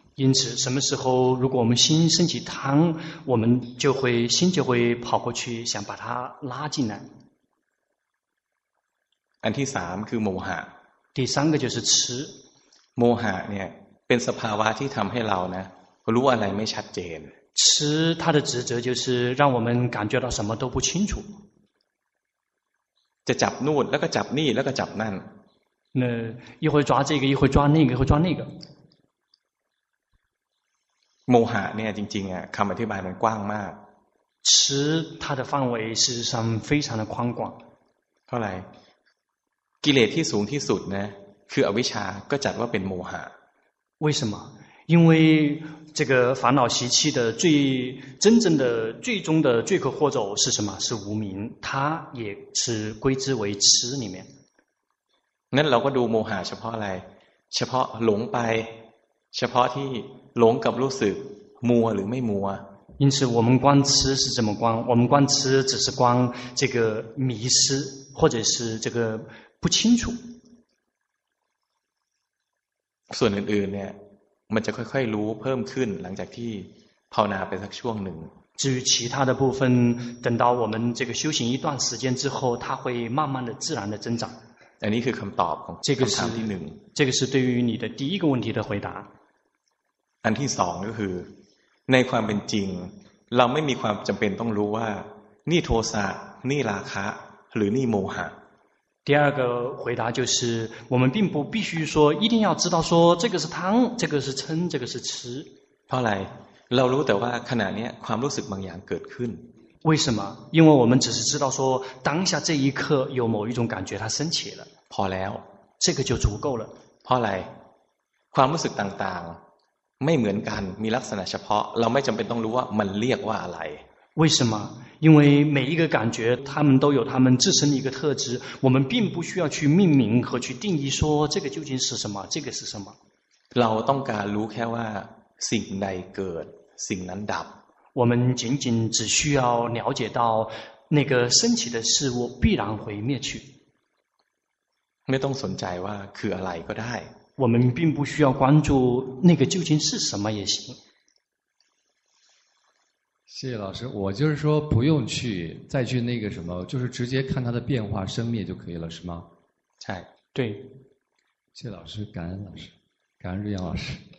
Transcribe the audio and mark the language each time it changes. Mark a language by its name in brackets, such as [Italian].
[Chinese] 因此什么时候如果我们心升起贪我们就会心就会跑过去想把它拉进来 [Thai] อันที่สามคือโมหะ [Chinese] 第三个就是痴 [Thai] โมหะเนี่ยเป็นสภาวะที่ทำให้เรานะรู้อะไรไม่ชัดเจน [Chinese] 痴它的职责就是让我们感觉到什么都不清楚 [Thai] จะจับนู่นแล้วก็จับนี่แล้วก็จับนั่น [Chinese] นะ一会抓这个一会抓那个一会抓那个 [Thai] โมหะเนี่ยจริงๆอ่ะคำอธิบายมันกว้างมาก [Chinese] 痴它的范围事实上非常的宽广 [Thai] เท่าไหร่กิเลสที่สูงที่สุดนะคืออวิชชาก็จัดว่าเป็นโมหะ [Chinese] 为什么因为这个烦恼习气的最真正的最终的罪魁祸首是什么是无明它也是归之为痴里面 [Thai] งั้นเราก็ดูโมหะเฉพาะอะไรเฉพาะหลงไปเฉพาะที่หลงกับรู้สึกมัวหรือไม่มัว [Chinese] 因此我们观痴是怎么观我们观痴只是观这个迷失或者是这个不清楚 [Thai] ส่วนอื่นๆเนี่ยมันจะค่อยๆรู้เพิ่มขึ้นหลังจากที่ภาวนาไปสักช่วงหนึ่ง [Chinese] 至于其他的部分等到我们这个修行一段时间之后它会慢慢的自然的增长 [Thai] อันนี้คือคำตอบของคำถามที่หนึ่ง [Chinese] 这个是对于你的第一个问题的回答 [Thai] อันที่สองก็คือในความเป็นจริงเราไม่มีความจำเป็นต้องรู้ว่านี่โทสะนี่ราคะหรือนี่โมหะ [Chinese] 第二个回答就是我们并不必须说一定要知道说这个是贪这个是嗔这个是痴 [Thai] เพราะอะไรเรารู้แต่ว่าขณะนี้ความรู้สึกบางอย่างเกิดขึ้น [Chinese] 为什么因为我们只是知道说当下这一刻有某一种感觉它升起了 [Thai] พอแล้ว [Chinese] 这个就足够了 [Thai] เพราะอะไรความรู้สึกต่างๆไม่เหมือนกันมีลักษณะเฉพาะเราไม่จำเป็นต้องรู้ว่ามันเรียกว่าอะไร [Chinese] 为什么因为每一个感觉它们都有它们自身的一个特质我们并不需要去命名和去定义说这个究竟是什么这个是什么 [Thai] เราต้องการรู้แค่ว่าสิ่งใดเกิดสิ่งนั้นดับ [Chinese] 我们仅仅只需要了解到那个升起的事物必然会灭去 [Thai] ไม่ต้องสนใจว่าคืออะไรก็ได้ [Chinese] 我们并不需要关注那个究竟是什么也行谢谢老师我就是说不用去再去那个什么就是直接看它的变化生灭就可以了是吗对对谢谢老师感恩老师感恩瑞阳老师